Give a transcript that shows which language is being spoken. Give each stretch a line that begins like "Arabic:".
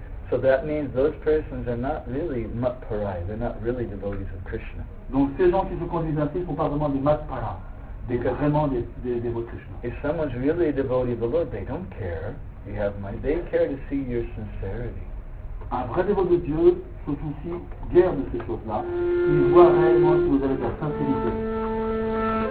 English: So that means those persons are not really matparai, they're not really devotees of Krishna.
French: Donc ces gens qui se conduisent ainsi ne sont pas vraiment des matparas, mais vraiment des dévots de Krishna.
English: If someone's really a devotee of the Lord, they don't care. You have money. They care to see your sincerity.
French: Un vrai dévot de Dieu se soucie guère de ces choses-là. Il voit réellement si vous avez la sincérité.